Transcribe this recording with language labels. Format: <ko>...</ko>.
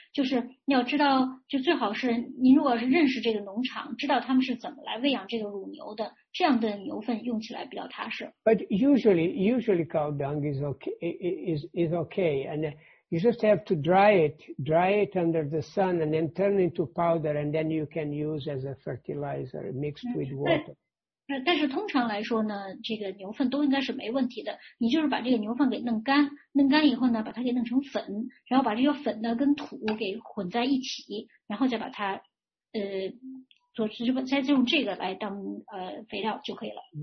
<zh>就是你要知道，就最好是您如果是认识这个农场，知道他们是怎么来喂养这个乳牛的，这样的牛粪用起来比较踏实。</zh> <en>But usually cow dung is okay, and you just have to dry it under the sun, and then turn into powder, and then you can use as a fertilizer mixed with water.</en> <zh>但是通常来说呢，这个牛粪都应该是没问题的。你就是把这个牛粪给弄干，弄干以后呢，把它给弄成粉，然后把这个粉呢跟土给混在一起，然后再把它做再用这个来当肥料就可以了。</zh>